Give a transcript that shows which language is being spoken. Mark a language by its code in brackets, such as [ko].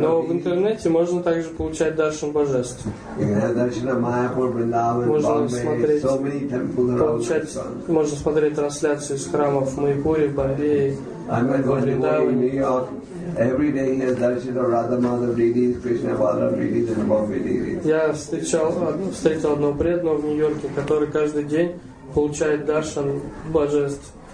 [ru] Но в интернете можно также получать даршан божеств. [en] You can have darshan of Mayapur, Vrindavan, Bombay. So many temples around. [ru] Получать, можно смотреть трансляции из храмов в Майпуре, в Бомбее. [en] I'm going to Vrindavan, New York. Every day he has darshan of Radha Madhav Deities, Krishna Balaram Deities, and Bombay Deities. [ru] Я встретил одного преданного в Нью-Йорке, который каждый день получает даршан божеств.